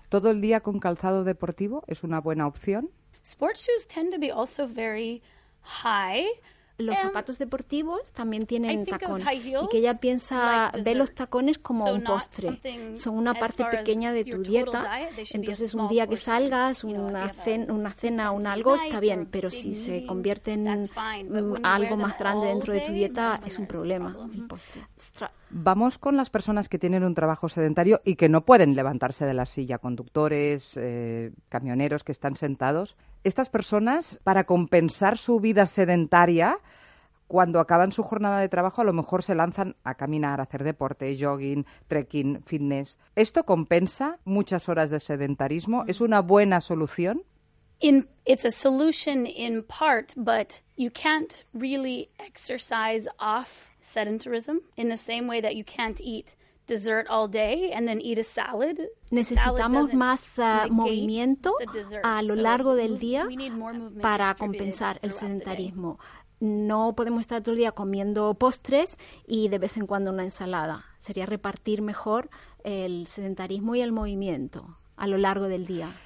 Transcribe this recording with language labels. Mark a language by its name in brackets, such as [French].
[Spanish] ¿Todo el día con calzado deportivo es una buena opción? [English] Sports shoes tend to be also very high. [Spanish] Los zapatos deportivos también tienen tacón. Y que ella piensa, ve los tacones como un postre. Son una parte pequeña de tu dieta. Entonces, un día que salgas, una cena, un algo, está bien. Pero si se convierte en algo más grande dentro de tu dieta, es un problema. Vamos con las personas que tienen un trabajo sedentario y que no pueden levantarse de la silla. Conductores, camioneros que están sentados. Estas personas, para compensar su vida sedentaria, cuando acaban su jornada de trabajo, a lo mejor se lanzan a caminar, a hacer deporte, jogging, trekking, fitness. ¿Esto compensa muchas horas de sedentarismo? ¿Es una buena solución? [English] It's a solution in part, but you can't really exercise off sedentarism in the same way that you can't eat dessert all day and then eat a salad. [Spanish] Necesitamos más movimiento a lo largo del día para compensar el sedentarismo. No podemos estar todo el día comiendo postres y de vez en cuando una ensalada. Sería repartir mejor el sedentarismo y el movimiento a lo largo del día.